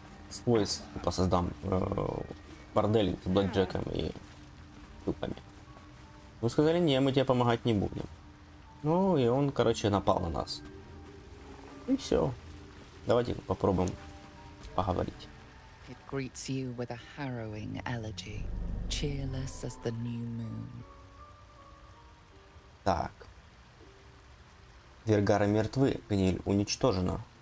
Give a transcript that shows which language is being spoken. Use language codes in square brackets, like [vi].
[ru] Свой типа создам. Бордель с блэкджеком и тупами. Мы сказали, не, мы тебе помогать не будем. Ну, и он, короче, напал на нас. И все. Давайте попробуем поговорить. [en] It greets you with a harrowing elegy, cheerless as the new moon. [ru] Так. Вергары мертвы, гниль уничтожена.